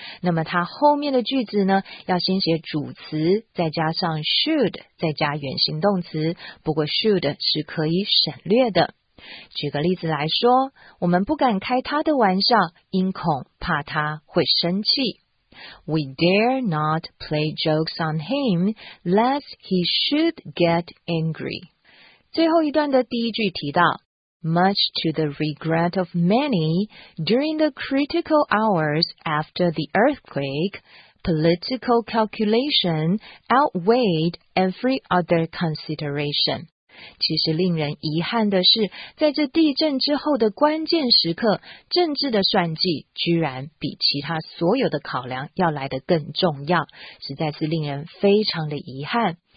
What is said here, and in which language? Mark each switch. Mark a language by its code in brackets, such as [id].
[zh] 那么它后面的句子呢，要先写主词，再加上 should， 再加原形动词。不过 should 是可以省略的。举个例子来说，我们不敢开他的玩笑，因恐怕他会生气。 [en] We dare not play jokes on him, lest he should get angry. [zh] 最后一段的第一句提到 [en] ,much to the regret of many, during the critical hours after the earthquake, political calculation outweighed every other consideration. [zh] 其实令人遗憾的是，在这地震之后的关键时刻，政治的算计居然比其他所有的考量要来得更重要，实在是令人非常的遗憾。